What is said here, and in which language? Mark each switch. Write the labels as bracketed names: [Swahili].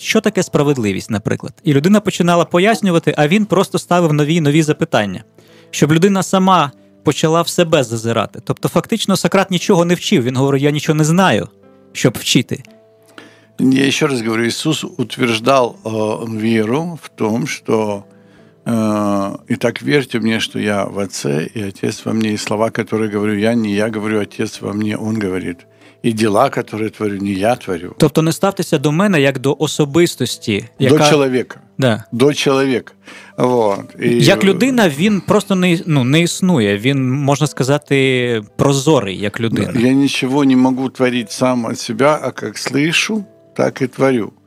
[Ukrainian] Що таке справедливість, наприклад? І людина починала пояснювати, а він просто ставив нові запитання. Щоб людина сама почала в себе зазирати. Тобто фактично Сократ нічого не вчив. Він говорив, я нічого не знаю, щоб вчити. [Russian] Я еще раз говорю, Иисус утверждал веру в том, что «Итак, верьте мне, что я в Отце, и Отец во мне, и слова, которые говорю я, не я говорю, Отец во мне, Он говорит, и дела, которые творю, не я творю». [Ukrainian] Тобто не ставьтеся до мене, як до особистості. [Russian] Яка... До человека. Да. До человека. Вот. И... [Ukrainian] Як людина, він просто не існує, він, можна сказати, прозорий, як людина. Я нічого не можу творити сам від себе, а як слышу, так і творю.